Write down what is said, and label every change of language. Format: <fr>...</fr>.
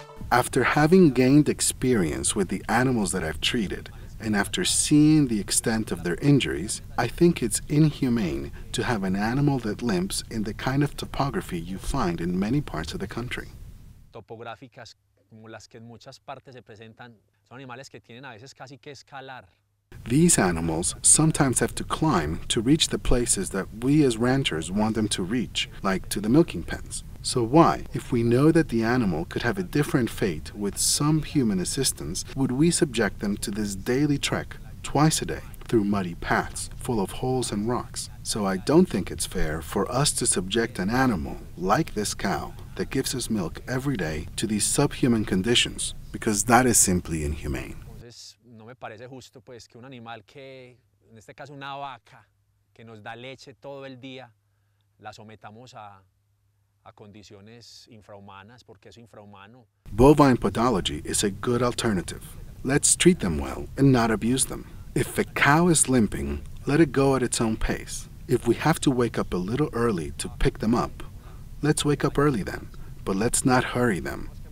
<en>After having gained experience with the animals that I've treated, and after seeing the extent of their injuries, I think it's inhumane to have an animal that limps in the kind of topography you find in many parts of the country.</en> <es>Topográficas como las que en muchas partes se presentan son animales que tienen a veces casi que escalar.</es> <en>These animals sometimes have to climb to reach the places that we as ranchers want them to reach, like to the milking pens. So why, if we know that the animal could have a different fate with some human assistance, would we subject them to this daily trek, twice a day, through muddy paths, full of holes and rocks? So I don't think it's fair for us to subject an animal, like this cow, that gives us milk every day, to these subhuman conditions, because that is simply inhumane.</en> <es>No me parece justo pues que un animal que, en este caso una vaca, que nos da leche todo el día, la sometamos a condiciones infrahumanas, porque es infrahumano.</es> <en>Bovine podology is a good alternative. Let's treat them well and not abuse them. If a cow is limping, let it go at its own pace. If we have to wake up a little early to pick them up, let's wake up early then, but let's not hurry them.</en>